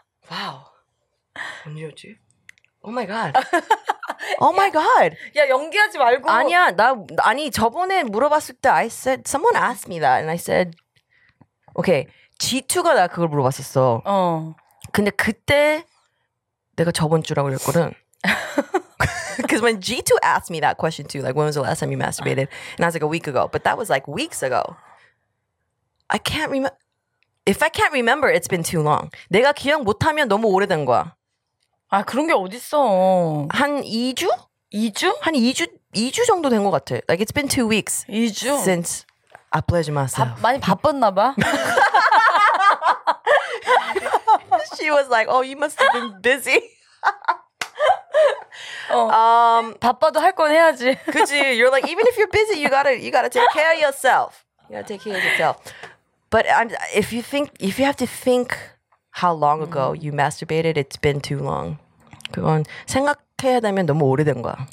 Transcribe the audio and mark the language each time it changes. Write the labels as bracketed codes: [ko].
[en] Wow. [ko] 언제였지? [en] Oh my god. Oh my god. [ko] 야, 연기하지 말고. 아니야. 나 아니 저번에 물어봤을 때 [en] I said someone asked me that and I said okay. [ko] G2가 나 그걸 물어봤었어. 어. 근데 그때 내가 저번 주라고 그랬거든. [en] Because when G2 asked me that question too, like when was the last time you masturbated? And I was like a week ago. But that was like weeks ago. I can't remember. If I can't remember, it's been too long. [ko] 내가 기억 못하면 너무 오래된 거야. 아, 그런 게 어딨어. 한 2주? 2주? 한 2주 정도 된 것 같아. [en] Like it's been 2 weeks. [ko] 2주? Since 아플레지 마세요. 많이 바빴나 봐. [en] She was like, oh, you must have been busy. [ko] 바빠도 할 건 해야지. 그치? [en] You're like, even if you're busy, you gotta take care of yourself. You gotta take care of yourself. But if you have to think how long ago you masturbated, it's been too long. [ko] 그건 생각해야 되면 너무 오래된 거야.